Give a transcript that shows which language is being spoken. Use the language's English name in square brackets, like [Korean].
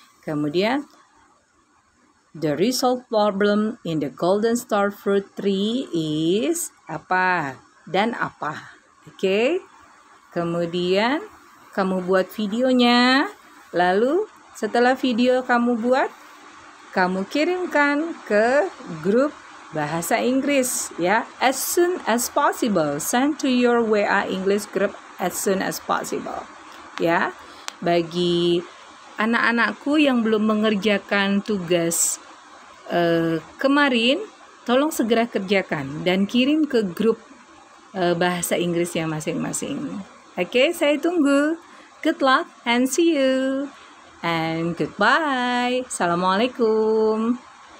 [Indonesian] Kemudian [English] the result problem in the golden star fruit tree is [Indonesian] apa dan apa. [English] Oke. Okay? [Indonesian] Kemudian kamu buat videonya, lalu setelah video kamu buat, kamu kirimkan ke grup bahasa Inggris ya, [English] as soon as possible. Send to your WA English group as soon as possible. [Indonesian] Ya. Bagi anak-anakku yang belum mengerjakan tugas kemarin, tolong segera kerjakan dan kirim ke grup bahasa Inggrisnya masing-masing. Oke, okay, saya tunggu. [English] Good luck and see you. And goodbye. Assalamualaikum.